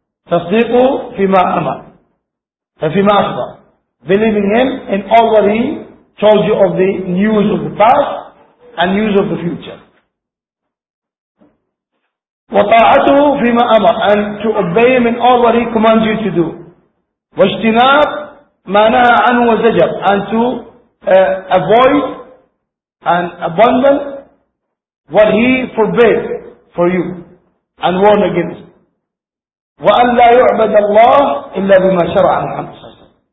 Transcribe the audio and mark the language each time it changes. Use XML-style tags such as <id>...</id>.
<ar>تصديقه فيما أمر فيما أخبر.</ar> <en>Believing him in all what he told you of the news of the past and news of the future.</en> <ar>وطاعته فيما أمر</ar> <en>and to obey him in all what he commands you to do.</en> <ar>واجتناب ما نهى عنه وزجر</ar> <en>and to avoid and abandon what he forbade for you and warn against.</en> <ar>وأن لا يعبد الله إلا بما شرع محمد صلى الله عليه وسلم.</ar>